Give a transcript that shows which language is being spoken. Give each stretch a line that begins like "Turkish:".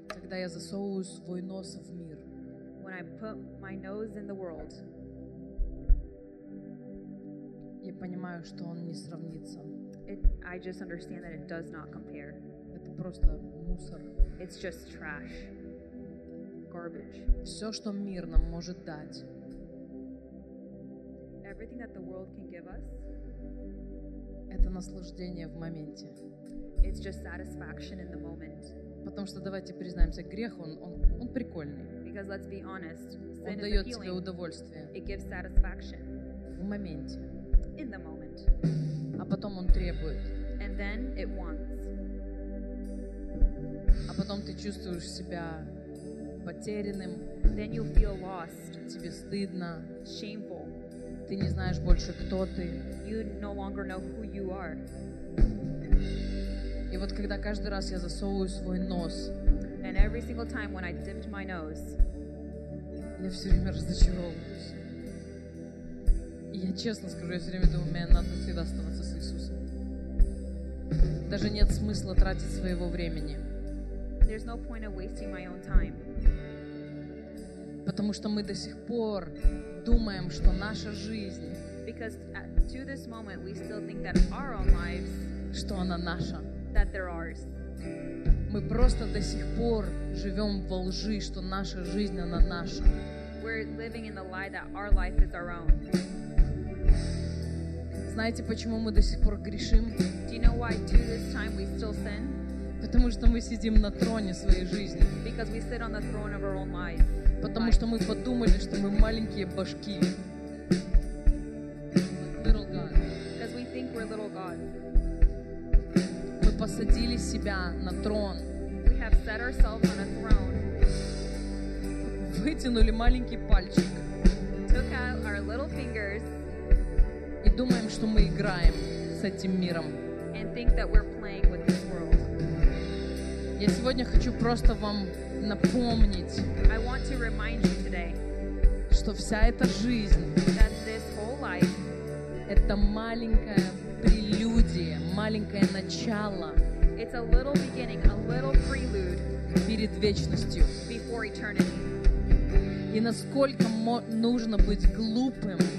Russian: Я засовываю свой нос в мир.
English: When I put my nose in the world,
Russian: я понимаю, что он не сравнится.
English: I just understand that it does not compare.
Russian: Это просто мусор.
English: It's just trash. Garbage.
Russian: Все, что мир нам может дать,
English: everything that the world can give us,
Russian: это наслаждение в моменте.
English: It's just satisfaction in the moment.
Russian: Потому что давайте признаемся, грех он прикольный.
English: Because let's be honest,
Russian: он дает тебе удовольствие.
English: It gives satisfaction.
Russian: В моменте.
English: In the moment.
Russian: А потом он требует.
English: And then it wants.
Russian: А потом ты чувствуешь себя потерянным.
English: Then you feel lost.
Russian: Тебе стыдно.
English: Shameful.
Russian: Ты не знаешь больше, кто ты.
English: You no longer know who you are.
Russian: И вот когда каждый раз я засовываю свой нос,
English: and every single time when I dipped my nose,
Russian: я все время разочаровываюсь. И я честно скажу, я все время думаю, мне надо всегда оставаться с Иисусом. Даже нет смысла тратить своего времени.
English: There's no point of wasting my own time.
Russian: Потому что мы до сих пор думаем, что наша жизнь,
English: because to this moment we still think that our own lives,
Russian: что она наша.
English: That they're ours.
Russian: Мы просто до сих пор живем во лжи, что наша жизнь, она наша.
English: We're living in the lie that our life is our own.
Russian: Знаете, почему мы до сих пор грешим?
English: Do you know why to this time we still sin?
Russian: Потому что мы сидим на троне своей жизни.
English: Because we sit on the throne of our own life.
Russian: Потому что мы подумали, что мы маленькие башки.
English: Little God. Because we think we're little God.
Russian: Посадили себя на трон.
English: We have set ourselves on a throne.
Russian: Вытянули маленький пальчик.
English: Took out our little fingers.
Russian: И думаем, что мы играем с этим миром.
English: And think that we're playing with this world.
Russian: Я сегодня хочу просто вам напомнить.
English: I want to remind you today,
Russian: что вся эта жизнь,
English: that this whole life,
Russian: это маленькая прелюдия, маленькое начало.
English: It's a little beginning, a little prelude
Russian: перед вечностью.
English: Before eternity.
Russian: И насколько нужно быть глупым.